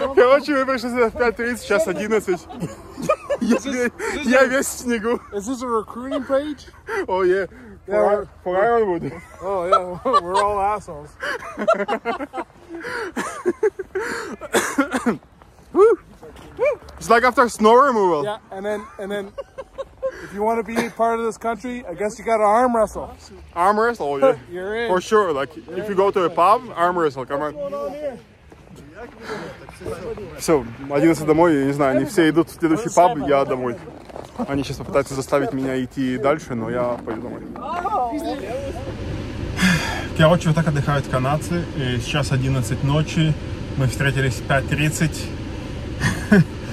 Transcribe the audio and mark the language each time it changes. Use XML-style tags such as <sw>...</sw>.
<ru>Короче, мы пришли сюда в 5:30, сейчас 11. Я весь в снегу.</ru> <en>Is this a recruiting page? Oh, yeah. For Ironwood. Oh, yeah. We're all assholes. It's like after snow removal. Yeah, and then... If you want to be part of this country, I guess you got to arm wrestle. Arm wrestle, yeah. You're in. For sure, like, you're if you go to a pub, arm wrestle, come on. What's going on here?</en> <ru>Все, 11 домой, я не знаю, они все идут в следующий паб, я домой. Они сейчас попытаются заставить меня идти дальше, но я пойду домой. Короче, вот так отдыхают канадцы. И сейчас 11 ночи, мы встретились в 5:30.</ru>